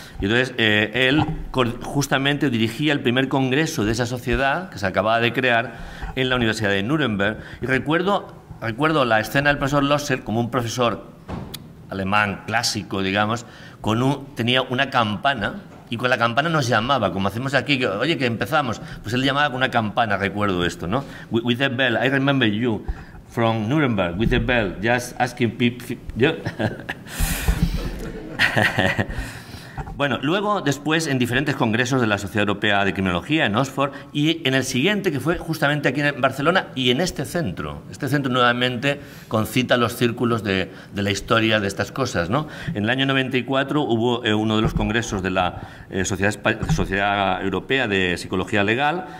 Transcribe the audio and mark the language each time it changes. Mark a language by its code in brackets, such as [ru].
[es] Y entonces él justamente dirigía el primer congreso de esa sociedad que se acababa de crear en la Universidad de Nuremberg, y recuerdo la escena del profesor Lossel como un profesor alemán clásico, digamos, tenía una campana. Y con la campana nos llamaba, como hacemos aquí, que, oye, que empezamos. Pues él llamaba con una campana, recuerdo esto, ¿no? [en] With the bell, I remember you from Nuremberg, with the bell, just asking people. [es] Bueno, luego, después, en diferentes congresos de la Sociedad Europea de Criminología, en Oxford, y en el siguiente, que fue justamente aquí en Barcelona, y en este centro. Este centro, nuevamente, concita los círculos de la historia de estas cosas, ¿no? En el año 94 hubo uno de los congresos de la Sociedad Europea de Psicología Legal.